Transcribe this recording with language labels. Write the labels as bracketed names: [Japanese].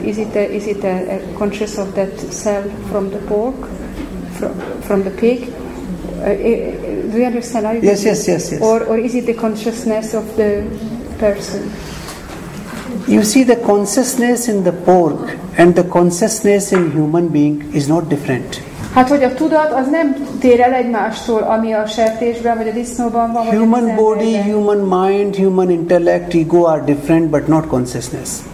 [English] Is it a conscious of that cell from the pork, from the pig? Do you understand? Are you yes, yes, yes, yes. Or is it the consciousness of the person? You see, the consciousness in the pork and the consciousness in human being is not different. [Hungarian] Hát, hogy a tudat az nem tér el egymástól, ami a sertésben vagy a disznóban van. [English] Human body, human mind, human intellect, ego are different, but not consciousness.